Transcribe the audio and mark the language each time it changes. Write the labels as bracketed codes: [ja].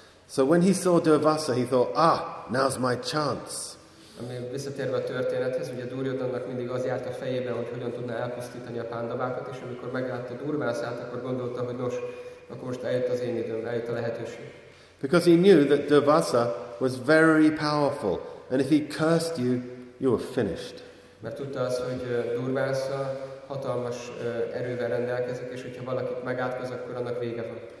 [en] So when he saw Durvasa, he thought, now's my chance. [hu] Ami visszatérve a történethez, ugye Duryodhannak mindig az járt a fejében, hogy hogyan tudna elpusztítani a Pandavákat, és amikor meglátta Durvasát, akkor gondolta, hogy nos, akkor most eljött az én időm, eljött a lehetőség. [en] Because he knew that Durvasa was very powerful, and if he cursed you, you were finished. [hu] Mert tudta azt, hogy Durvasa hatalmas erővel rendelkezik, és hogyha valakit megátkoz, akkor annak vége van.